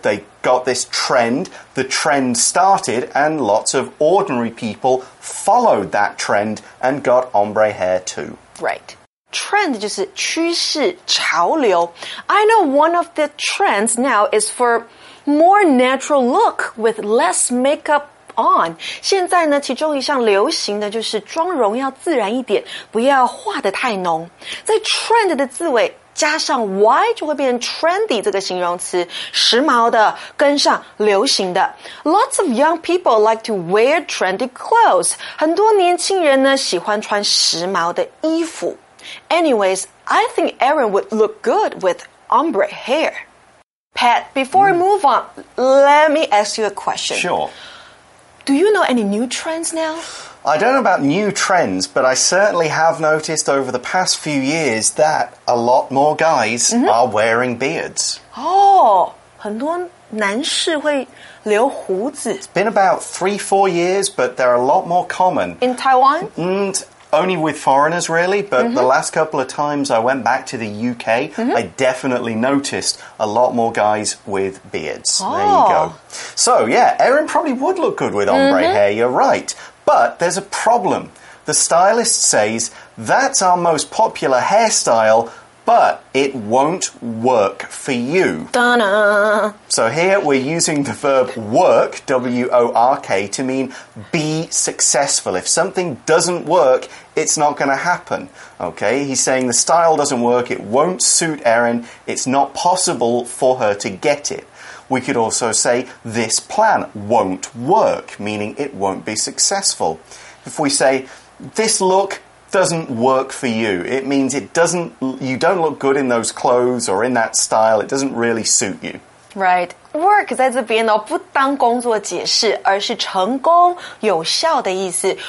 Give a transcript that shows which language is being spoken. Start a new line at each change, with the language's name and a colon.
English: They got this trend. The trend started and lots of ordinary people followed that trend and got ombre hair too.
Chinese: Right. Trend 就是趋势潮流。
English: I know one of the trends now is for more natural look with less makeup on.
Chinese: 现在呢其中一项流行的就是妆容要自然一点不要画得太浓。在 trend 的字尾加上 Y 就会变成 trendy 这个形容词时髦的跟上流行的
English: Lots of young people like to wear trendy clothes
Chinese: 很多年轻人呢喜欢穿时髦的衣服
English: Anyways, I think Erin would look good with ombre hair Pat, before we move on, let me ask you a question Sure Do you know any new trends now? I don't know about new trends, but I certainly have noticed over the past few years that a lot more guys mm-hmm. are wearing beards.
Chinese: Oh, 很多男士会留胡子。
English: It's been about 3-4 years, but they're a lot more common. In Taiwan? And only with foreigners, really, but mm-hmm. the last couple of times I went back to the UK, mm-hmm. I definitely noticed a lot more guys with beards. Oh. There you go. So, yeah, Erin probably would look good with ombre mm-hmm. hair, you're right. But there's a problem. The stylist says, that's our most popular hairstyle, but it won't work for you. Ta-da! So here we're using the verb work, W-O-R-K, to mean be successful. If something doesn't work, it's not going to happen. Okay, he's saying the style doesn't work, it won't suit Erin, it's not possible for her to get it. We could also say, this plan won't work, meaning it won't be successful. If we say, this look doesn't work for you, it means you don't look good in those clothes or in that style, it doesn't really suit you. Right.
Chinese: Work 在这边呢、哦、不当工作解释而是成功有效的意思。